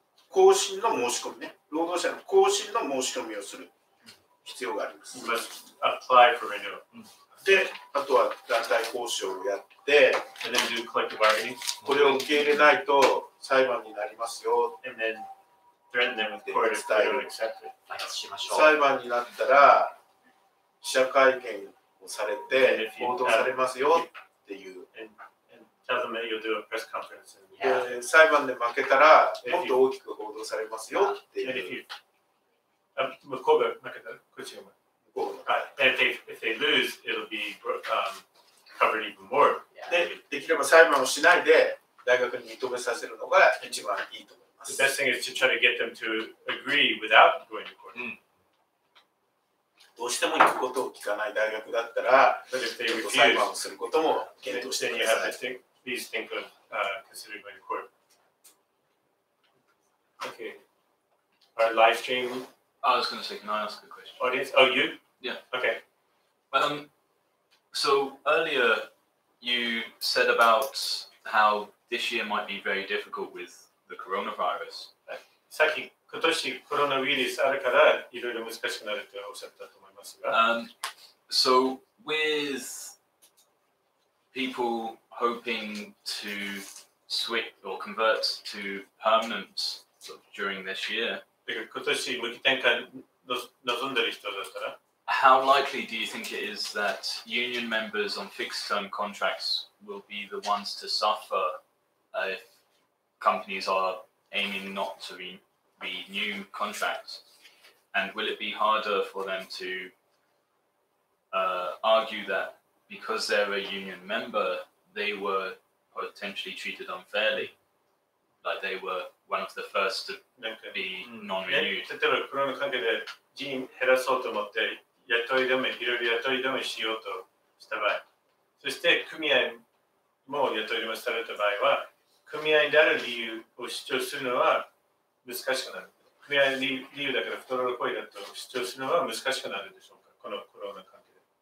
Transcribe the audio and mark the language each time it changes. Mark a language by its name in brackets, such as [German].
[Japanese] 更新の申し込みね。労働者の更新の申し込みをする必要があります。 [English] You must apply for renewal.、Mm. [Japanese] で、あとは団体交渉をやって、 [English] and then do collective bargaining. [Japanese] これを受け入れないと裁判になりますよ。 [English] And then threaten them with court if they don't accept it. [Japanese] しましょう。裁判になったら、記者会見をされて、報道されますよっていう。 [English] And tell them that you'll do a press conference. [Japanese] で、裁判で負けたら、もっと大きく報道されますよっていう。 [English] And if you, [Japanese] 向こうが負けたら、こっちが負けたら。 [English] If they lose, it'll be covered even more. [Japanese] できれば裁判をしないで大学に認めさせるのが一番いいと思います。 [English] The best thing is to try to get them to agree without going to court. [Japanese] どうしても行くことを聞かない大学だったら、裁判をすることも検討してください。 [English] Then you have to think, please think of considering going to court. Okay. Our live stream. I was going to say, can I ask a question? Audience? Oh, you? Yeah. Okay. So earlier you said about how this year might be very difficult with the coronavirus. [Japanese] さっき今年コロナウイルスあるからいろいろ難しくなるとおっしゃったと思いますが。 [English] So with people hoping to switch or convert to permanent during this year. [Japanese] だから今年向き転換の望んでる人だったら。 [English] How likely do you think it is that union members on fixed-term contracts will be the ones to suffer if companies are aiming not to renew contracts? And will it be harder for them to argue that because they're a union member, they were potentially treated unfairly, like they were one of the first to be non-renewed? [Japanese] 例えばコロナ関係で人員減らそうと思って雇い止め、いろいろ雇い止めしようとした場合、そして組合も雇い止めされた場合は、組合である理由を主張するのは難しくなる。組合の理由だから太る行為だと主張するのは難しくなるでしょうか、このコロナ関係で。